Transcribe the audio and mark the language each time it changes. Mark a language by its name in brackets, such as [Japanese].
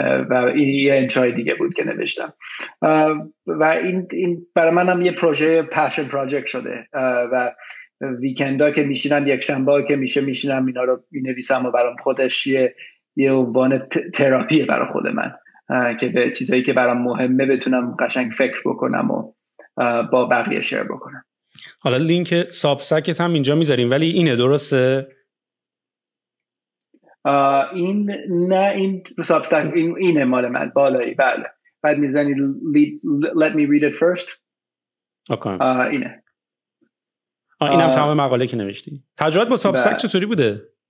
[Persian] و این یه انشای دیگه بود که نوشتم. و این برای من هم یه پروژه پشن پروژکت شده، و ویکندا که میشینم، یک شنبه که میشه میشینم اینا رو مینویسم، و برام خودش یه عنوان تراپیه برای خود من، که به چیزایی که برام مهمه بتونم قشنگ فکر بکنم و با بقیه شیر بکنم. حالا لینک سابسکت هم اینجا میذاریم، ولی اینه درسته؟ این نه، این سابسکت اینه مال من بالایی، بله. بعد میزنی [English] let me read it first. [Persian] اوکی. اینه. اینم تمام مقاله که نوشتی. تجربت با سابستک چطوری بوده؟